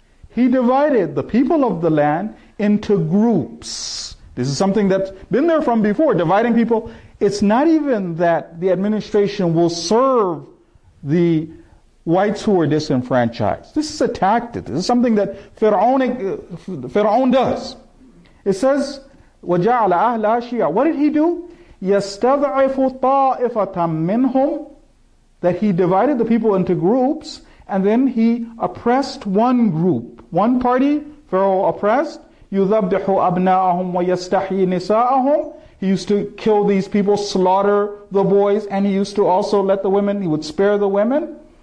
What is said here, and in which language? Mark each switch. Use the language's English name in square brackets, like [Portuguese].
[English] He divided the people of the land into groups. This is something that's been there from before, dividing people. It's not even that the administration will serve the whites who are disenfranchised. This is a tactic. This is something that Fir'aun does. It says, [Arabic] وَجَعَلَ أَهْلَهَا شِيَعًا. [English] What did he do? [Arabic] يَسْتَضْعِفُ طَائِفَةً مِّنْهُمْ. [English] That he divided the people into groups, and then he oppressed one group. One party, Pharaoh oppressed. [Arabic] يُذَبْدِحُ أَبْنَاءَهُمْ وَيَسْتَحْيِ نِسَاءَهُمْ. [English] He used to kill these people, slaughter the boys, and he used to also let the women, he would spare the women.